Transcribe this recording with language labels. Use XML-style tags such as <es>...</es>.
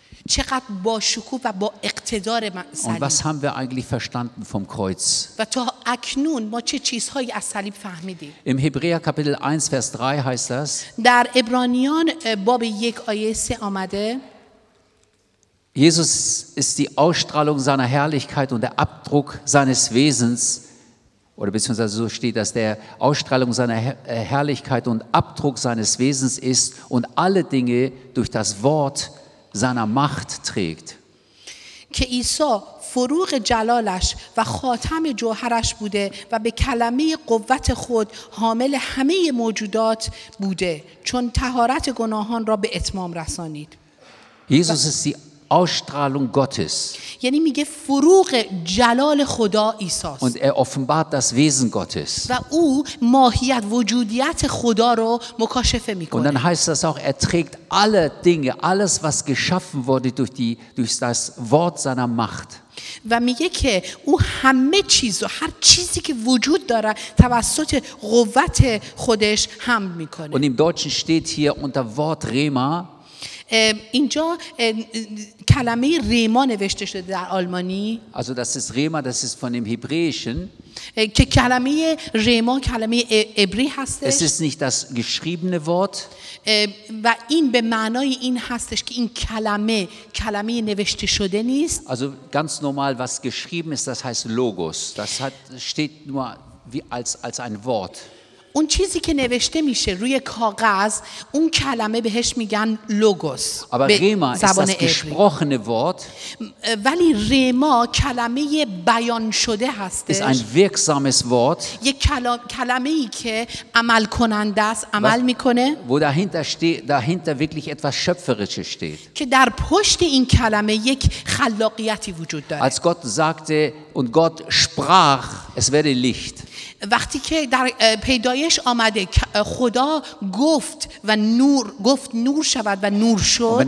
<fa>چقدر با شکوه و با اقتدار صلیب.</fa> <de>Und was haben wir eigentlich verstanden vom Kreuz?</de> <fa>و تا اکنون ما چه چیزهایی از صلیب فهمیدیم؟</fa> <de>Im Hebräer Kapitel 1 Vers 3 heißt das.</de> <fa>در عبرانیان باب 1 آیه 3 آمده.</fa> <de>Jesus ist die Ausstrahlung seiner Herrlichkeit und der Abdruck seines Wesens. Oder beziehungsweise so steht, dass der Ausstrahlung seiner Herrlichkeit und Abdruck seines Wesens ist und alle Dinge durch das Wort seiner Macht trägt.</de> <fa>که عیسی فروغ جلالش و خاتم جوهرش بوده و به کلمه قوت خود حامل همه موجودات بوده چون طهارت گناهان را به اتمام رسانید.</fa> <de>Jesus ist die Ausstrahlung Gottes.</de> <fa>یعنی میگه فروغ جلال خدا عیسی است.</fa> <de>Und er offenbart das Wesen Gottes.</de> <fa>و او ماهیت وجودیت خدا رو مکاشفه میکنه.</fa> <de>Und dann heißt das auch, er trägt alle Dinge, alles was geschaffen wurde durch das Wort seiner Macht.</de> <fa>و میگه که او همه چیز و هر چیزی که وجود داره توسط قوت خودش حمل میکنه.</fa> <de>Und im Deutschen steht hier unter Wort Rema.</de> <fa>اینجا کلمه ریما نوشته شده در آلمانی.</fa> <de>Also das ist Rema, das ist von dem Hebräischen.</de> <fa>که کلمه ریما کلمه عبری هستش.</fa> <de>Es ist nicht das geschriebene Wort.</de> <fa>و این به معنای این هستش که این کلمه کلمه نوشته شده نیست.</fa> <de>Also ganz normal, was geschrieben ist, das heißt Logos. Das steht nur wie als ein Wort.</de> <fa>اون چیزی که نوشته میشه روی کاغذ اون کلمه بهش میگن لوگوس به زبان</fa> <de>ist das gesprochene Wort,</de> <fa>ولی ریما کلمه بیان شده هستش</fa> <de>ist ein wirksames Wort,</de> <fa>یک کلمه ای که عمل کننده است عمل میکنه</fa> <de>wo dahinter wirklich etwas schöpferisches steht,</de> <fa>که در پشت این کلمه یک خلاقیتی وجود داره</fa> <de>als Gott sagte und Gott sprach es werde Licht.</de> <fa>وقتی که در پیدایش آمده خدا گفت و نور گفت نور شود و نور شد.</fa>